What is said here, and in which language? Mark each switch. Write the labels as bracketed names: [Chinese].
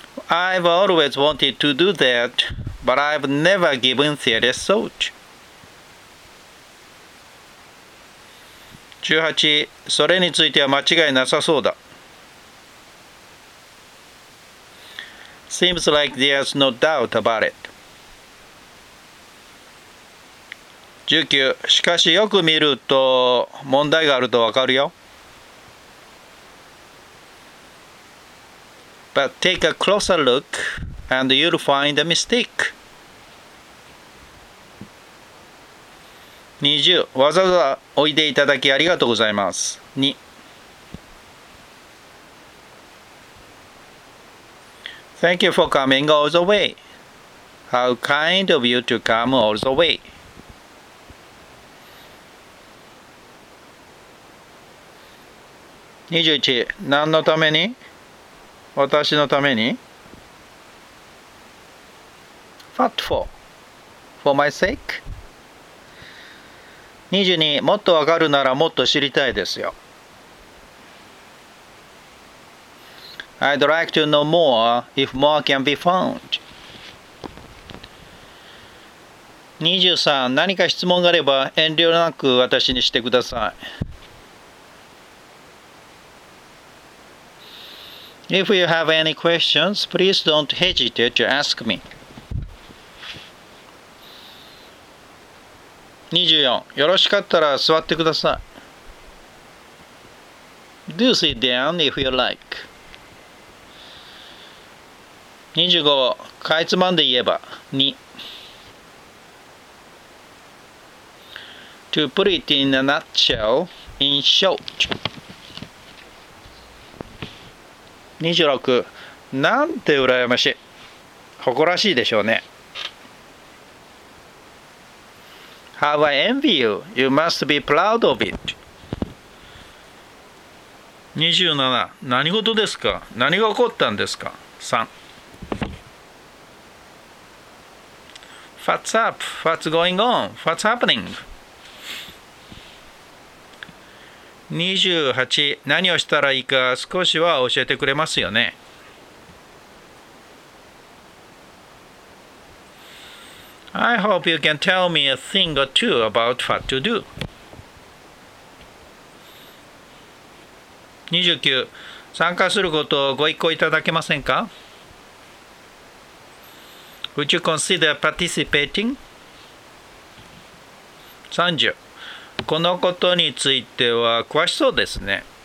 [English] I've always wanted to do that, but I've never given serious thought. 18. [Japanese] それについては間違いなさそうだ。 [English] Seems like there's no doubt about it. 19. [Japanese] しかしよく見ると問題があるとわかるよ。 [English] But take a closer look and you'll find a mistake. 20. [Japanese] わざわざおいでいただきありがとうございます。 2. [English] Thank you for coming all the way. How kind of you to come all the way. [Japanese] 21. 何のために?私のために? [English] What for? For my sake? [Japanese] 22、もっとわかるならもっと知りたいですよ。 [English] I'd like to know more if more can be found. [Japanese] 23、何か質問があれば遠慮なく私にしてください。 [English] If you have any questions, please don't hesitate to ask me. [Japanese] 24、よろしかったら座ってください。 [English] Do sit down if you like. [Japanese] 25、かいつまんで言えば、に。 [English] To put it in a nutshell, in short. [Japanese] 26、なんて羨ましい。誇らしいでしょうね。 [English] How I envy you. You must be proud of it. [Japanese] 27、何事ですか？何が起こったんですか？ 3。 [English] What's up? What's going on? What's happening? [Japanese] 28、何をしたらいいか少しは教えてくれますよね。 [English] I hope you can tell me a thing or two about what to do. [Japanese] 29、参加することをご一考いただけませんか？ [English] Would you consider participating? 30. [Japanese] このことについては詳しそうですね。